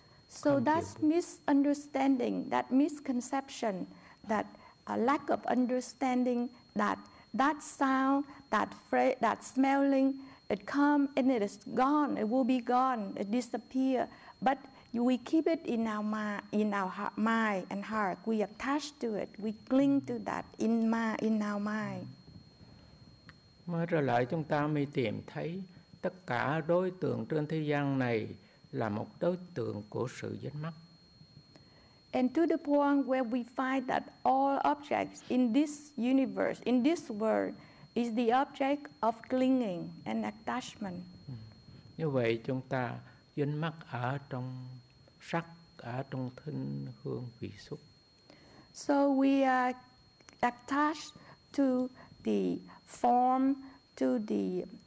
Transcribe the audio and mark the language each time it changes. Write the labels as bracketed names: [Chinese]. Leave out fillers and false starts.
[English] So that misunderstanding, that misconception, that a lack of understanding that sound, that smelling, it come and it is gone, it will be gone, it disappear. But we keep it in our mind and heart. We attach to it, we cling to that in our mind. [Vietnamese] Mới trở lại chúng ta mới tìm thấy tất cả đối tượng trên thế gian này là một đối tượng của sự dính mắc. [English] And to the point where we find that all objects in this universe, in this world, is the object of clinging and attachment. [Vietnamese] Như vậy chúng ta dính mắc ở trong sắc, ở trong thinh hương vị xúc. [English] So we are attached to the form, to the